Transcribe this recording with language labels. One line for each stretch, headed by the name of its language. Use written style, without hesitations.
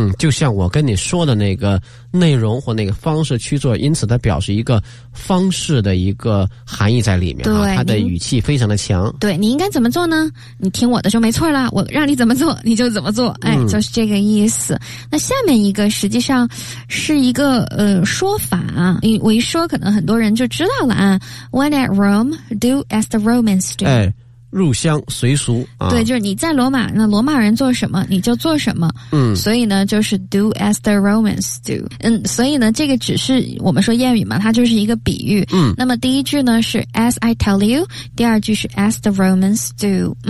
Chinese: 就像我跟你说的那个内容或那个方式去做，因此它表示一个方式的一个含义在里面。对，它的语气非常的强。对，你应该怎么做呢？你听我的就没错了，我让你怎么做你就怎么做。就是这个意思。那下面一个实际上是一个说法，我一说可能很多人就知道了啊。
English: When at Rome, do as the Romans do.
Chinese: 入乡随俗啊。对，就是你在罗马，那罗马人做什么你就做什么。所以呢就是
English: do as the Romans do。
Chinese: 所以呢这个只是我们说谚语嘛，它就是一个比喻。那么第一句呢是
English: as I tell you,
Chinese: 第二句是
English: as the Romans do。